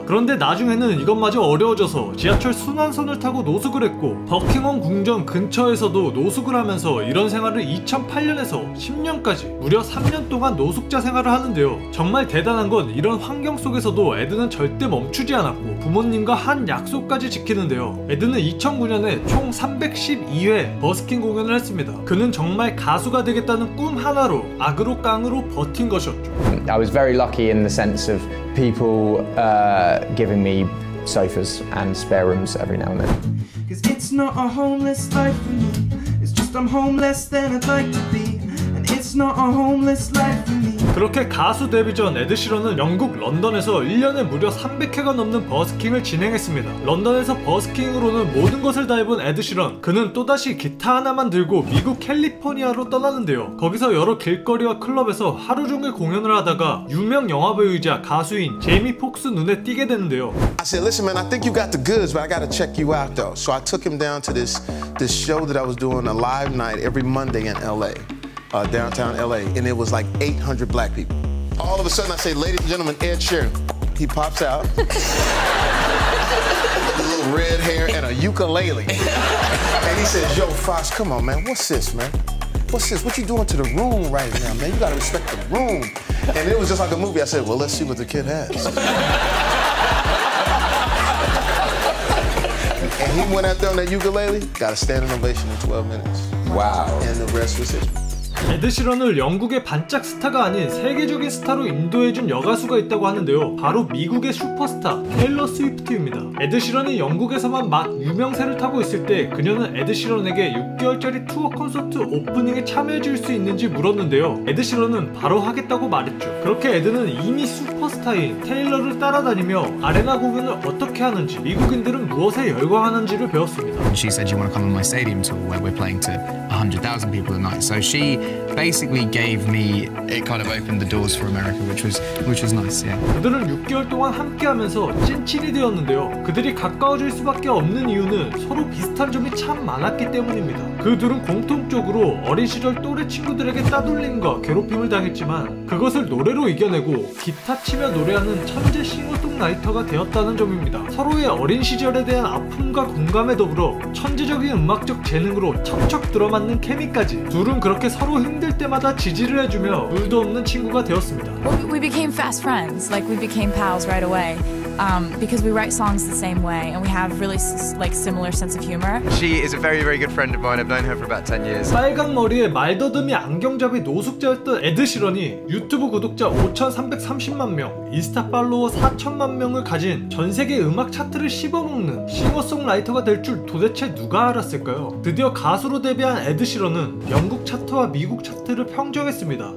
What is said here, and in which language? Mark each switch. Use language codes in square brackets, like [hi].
[ko] 그런데 나중에는 이것마저 어려워져서 지하철 순환선을 타고 노숙을 했고 버킹엄 궁전 근처에서도 노숙을 하면서 이런 생활을 2008년에서 10년까지 무려 3년 동안 노숙자 생활을 하는데요. 정말 대단한 건 이런 환경 속에서도 에드는 절대 멈추지 않았고 부모님과 한 약속까지 지키는데요. 에드는 2009년에 총 312회 버스킹 공연을 했습니다. 그는 정말 가수가 되겠다는 꿈 하나로 악으로 깡으로 버틴 것이었죠. [en] I was very lucky in the sense of people giving me sofas and spare rooms every now and then. Cuz it's not a homeless life for me. It's just I'm homeless than I'd like to be. And it's not a homeless life for me. [ko] 그렇게 가수 데뷔 전 에드시런은 영국 런던에서 1년에 무려 300회가 넘는 버스킹을 진행했습니다. 런던에서 버스킹으로는 모든 것을 다 해본 에드시런, 그는 또다시 기타 하나만 들고 미국 캘리포니아로 떠나는데요. 거기서 여러 길거리와 클럽에서 하루 종일 공연을 하다가 유명 영화 배우이자 가수인 제이미 폭스 눈에 띄게 되는데요. [en] I said, listen man, I think you got the goods, but I gotta check you out though. So I took him down to this show that I was doing a live night every Monday in LA. Downtown LA, and it was like 800 black people. All of a sudden, I say, ladies and gentlemen, Ed Sheeran. He pops out. With a little red hair and a ukulele. And he says, yo, Fox, come on, man. What's this, man? what's this? What you doing to the room right now, man? You gotta respect the room. And it was just like a movie. I said, well, let's see what the kid has. And he went out there on that ukulele, got a standing ovation in 12 minutes. Wow. And the rest was history. [ko] 에드 시런을 영국의 반짝 스타가 아닌 세계적인 스타로 인도해준 여가수가 있다고 하는데요. 바로 미국의 슈퍼스타 테일러 스위프트입니다. 에드 시런이 영국에서만 막 유명세를 타고 있을 때 그녀는 에드 시런에게 6개월짜리 투어 콘서트 오프닝에 참여해줄 수 있는지 물었는데요. 에드 시런은 바로 하겠다고 말했죠. 그렇게 에드는 이미 슈퍼스타인 테일러를 따라다니며 아레나 공연을 어떻게 하는지, 미국인들은 무엇에 열광하는지를 배웠습니다. [en] She said you want to come on my stadium tour where we're playing to 100,000 people a night. So she basically gave me it kind of opened the doors for America, which was nice. Yeah. [ko] 그들은 6개월 동안 함께하면서 찐친이 되었는데요. 그들이 가까워질 수밖에 없는 이유는 서로 비슷한 점이 참 많았기 때문입니다. 그들은 공통적으로 어린 시절 또래 친구들에게 따돌림과 괴롭힘을 당했지만 그것을 노래로 이겨내고 기타 치며 노래하는 천재 싱어송라이터가 되었다는 점입니다. 서로의 어린 시절에 대한 아픔과 공감에 더불어 천재적인 음악적 재능으로 척척 들어맞는 케미까지, 둘은 그렇게 서로 힘들 때마다 지지를 해주며 물도 없는 친구가 되었습니다. [en] We became fast friends, like we became pals right away. Because we write songs the same way and we have really like similar sense of humor. She is a very very good friend of mine. I've known her for about 10 years. [ko] 빨간 머리에 말더듬이 안경잡이 노숙자였던 에드 시런이 유튜브 구독자 5,330만 명, 인스타 팔로워 4천만 명을 가진 전 세계 음악 차트를 씹어먹는 싱어송라이터가 될 줄 도대체 누가 알았을까요? 드디어 가수로 데뷔한 에드 시런은 영국 차트와 미국 차트를 평정했습니다.